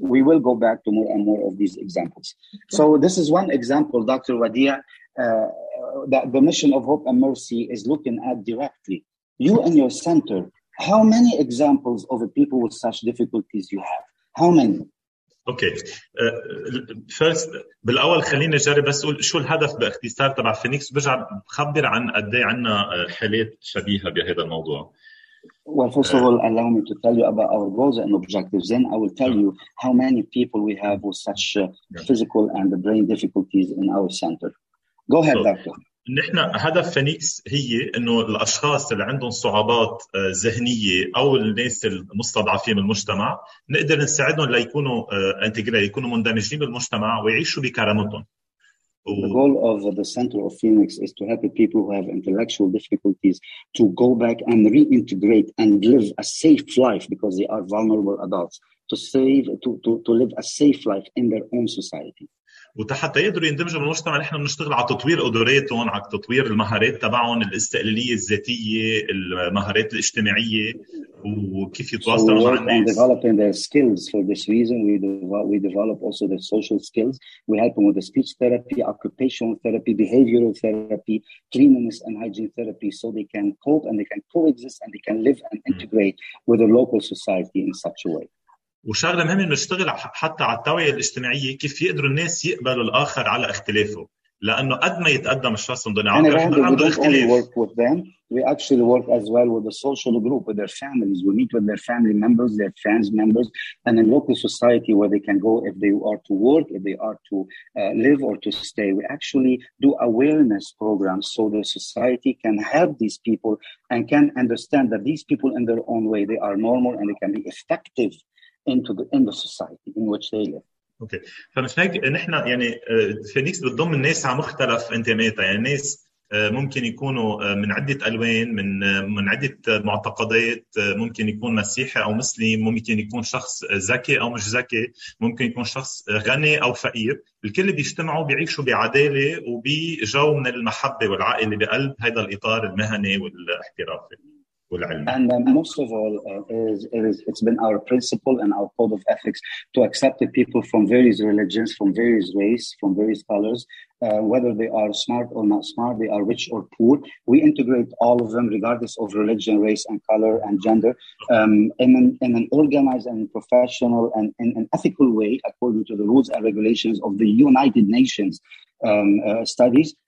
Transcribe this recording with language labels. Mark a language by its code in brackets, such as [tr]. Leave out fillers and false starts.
[en] We will go back to more and more of these examples. Okay. So this is one example, Dr. Wadia, that the Mission of Hope and Mercy is looking at directly. You and your center, how many examples of the people with such difficulties you have? How many? Okay. First, [ar] بالأول خليني جاري بس أقول شو الهدف باختصار تبع فينيكس برجع بخبر عن قدي عنا حالات شبيهة بهذا الموضوع. [en] Well, first of all, allow me to tell you about our goals and objectives. Then I will tell you how many people we have with such physical and brain difficulties in our center. Go ahead, doctor. [ar] نحن هدف فينيكس هي إنه الأشخاص اللي عندهم صعوبات ذهنية أو الناس المستضعفين بالمجتمع نقدر نساعدهم ليكونوا انتجرا يكونوا مندمجين بالمجتمع ويعيشوا بكرامتهم. [en] The goal of the Center of Phoenix is to help the people who have intellectual difficulties to go back and reintegrate and live a safe life because they are vulnerable adults, to live a safe life in their own society. [ar] وتحتى يقدروا يندمجوا بالمجتمع نحن بنشتغل على تطوير قدراتهم على تطوير المهارات تبعهم الاستقلالية الذاتية المهارات الاجتماعية وكيف يتواصلوا مع الناس. [en] So developing their skills for this reason we develop also their social skills. We help them with the speech therapy, occupational therapy, behavioral therapy, cleanliness and hygiene therapy so they can cope and they can coexist and they can live and integrate with the local society in such a way. [ar] وشغلة مهمة نشتغل حتى على التوعية الاجتماعية كيف يقدروا الناس يقبلوا الآخر على اختلافه لأنه قد ما يتقدم الشخص عنده اختلاف. [en] We work with them. We actually work as well with the social group, with their families. We meet with their family members, their friends members, and in local society where they can go if they are to work, if they are to live or to stay. We actually do awareness programs so the society can help these people and can understand that these people in their own way they are normal and they can be effective. Into the society in which they live. Okay. [ar] فمش هيك نحن يعني فينيكس بتضم الناس على مختلف انتماءاتها يعني ناس ممكن يكونوا من عدة ألوان من عدة معتقدات ممكن يكون مسيحي أو مسلم ممكن يكون شخص ذكي أو مش ذكي ممكن يكون شخص غني أو فقير الكل بيجتمعوا بيعيشوا بعدالة وبجو من المحبة والعائلة بقلب هذا الإطار المهني والاحترافي. [en] And most of all, it's been our principle and our code of ethics to accept the people from various religions, from various races, from various colors, whether they are smart or not smart, they are rich or poor. We integrate all of them, regardless of religion, race, and color, and gender, in an organized and professional and in an ethical way, according to the rules and regulations of the United Nations studies.